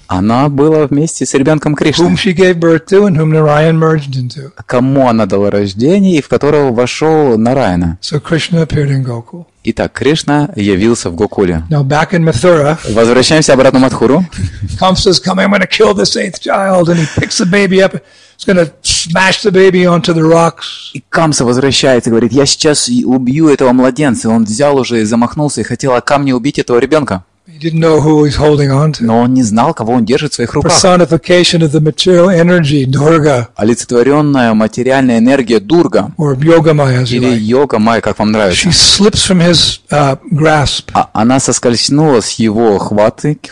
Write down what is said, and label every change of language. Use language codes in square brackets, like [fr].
[ru] Она была вместе с ребенком Кришны. [en] Whom she gave birth to and whom Narayan merged into. [ru] Кому она дала рождение и в которого вошел Нараяна. [en] So Krishna appeared in Gokul. [ru] Итак, Кришна явился в Гокуле. [en] Now back in Mathura. [ru] Возвращаемся обратно в Матхуру. [en] Kamsa's coming. I'm going to kill this eighth child, and he picks the baby up. He's going to smash the baby onto the rocks. [ru] И Камса возвращается и говорит, я сейчас убью этого младенца. Он взял уже и замахнулся и хотел о камне убить этого ребенка. [en] He didn't know who he's holding on to. [ru] Но он не знал, кого он держит в своих руках. [en] Personification of the material energy, Durga. [ru] Олицетворенная материальная энергия Дурга. [en] Or Yogamaya, as you like. [ru] Или Йогамая, как вам нравится. [en] She slips from his grasp. [ru] Она соскользнула с его хватки.